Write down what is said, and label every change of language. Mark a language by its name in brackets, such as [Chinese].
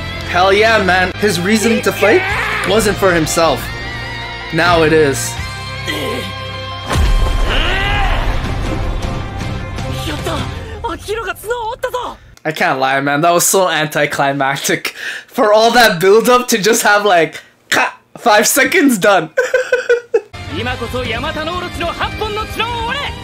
[English] Hell yeah, man. His reason to fight wasn't for himself. Now it is. [Japanese] やった、アキロが角を折ったぞ。 [English] I can't lie, man. That was so anticlimactic. For all that build up to just have like... 5 seconds done. [Japanese] 今こそヤマタノオロチの8本の角を折れ。